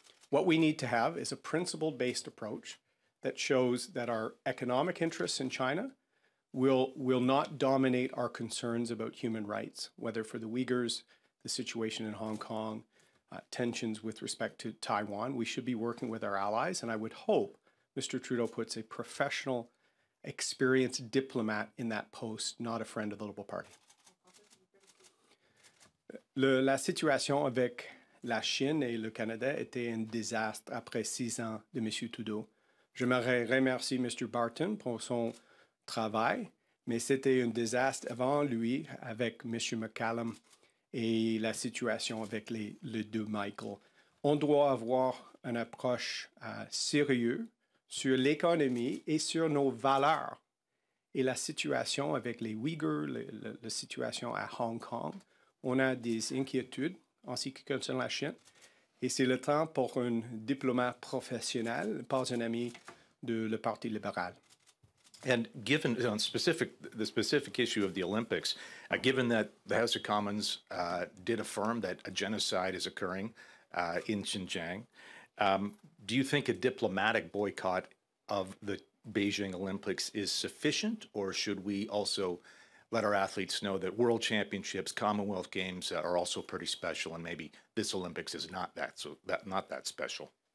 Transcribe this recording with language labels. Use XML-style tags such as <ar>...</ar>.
<en>What we need to have is a principle-based approach that shows that our economic interests in China will not dominate our concerns about human rights, whether for the Uyghurs, the situation in Hong Kong, tensions with respect to Taiwan. We should be working with our allies, and I would hope Mr. Trudeau puts a professional, experienced diplomat in that post, not a friend of the Liberal Party.</en> <fr>La situation avec la Chine et le Canada était un désastre après 6 ans de M. Trudeau. J'aimerais remercier Mr. Barton pour son travail, mais c'était un désastre avant lui avec M. McCallum et la situation avec les deux Michael. On doit avoir une approche sérieuse sur l'économie et sur nos valeurs. Et la situation avec les Ouïghours, la situation à Hong Kong, on a des inquiétudes en ce qui concerne la Chine. Et c'est le temps pour un diplomate professionnel, pas un ami de le Parti libéral.</fr> <en>And given the specific issue of the Olympics, given that the House of Commons did affirm that a genocide is occurring in Xinjiang, do you think a diplomatic boycott of the Beijing Olympics is sufficient, or should we also let our athletes know that World Championships, Commonwealth Games are also pretty special, and maybe this Olympics is not that special?</en>